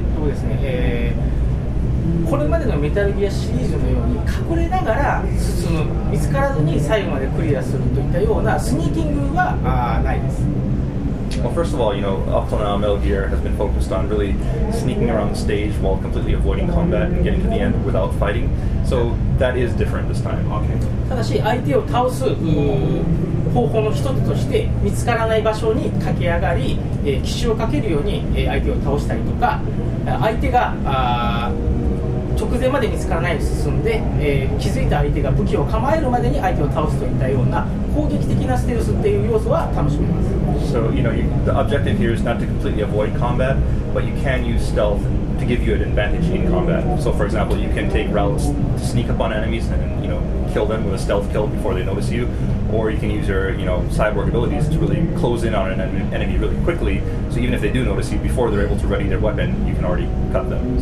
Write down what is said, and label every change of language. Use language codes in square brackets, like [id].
[ja] ですね、これまでのメタルギアシリーズのように隠れながら進む、見つからずに最後までクリアするといったようなスニーキングはないです。 [en] Well, first of all, you know, up till now, Metal Gear has been focused on really sneaking around the stage while completely avoiding combat and getting to the end without fighting. So that is different this time. Okay. [ja] ただし相手を倒す方法の一つとして見つからない場所に駆け上がり、奇襲をかけるように相手を倒したりとか、相手が直前まで見つからないように進んで、気づいた相手が武器を構えるまでに相手を倒すといったような攻撃的なステルスっていう要素は楽しめます。 [en] So, you know, the objective here is not to completely avoid combat, but you can use stealth to give you an advantage in combat. So, for example, you can take routes to sneak up on enemies and, you know, kill them with a stealth kill before they notice you, or you can use your, you know, cyborg abilities to really close in on an enemy really quickly, so even if they do notice you before they're able to ready their weapon, you can already cut them.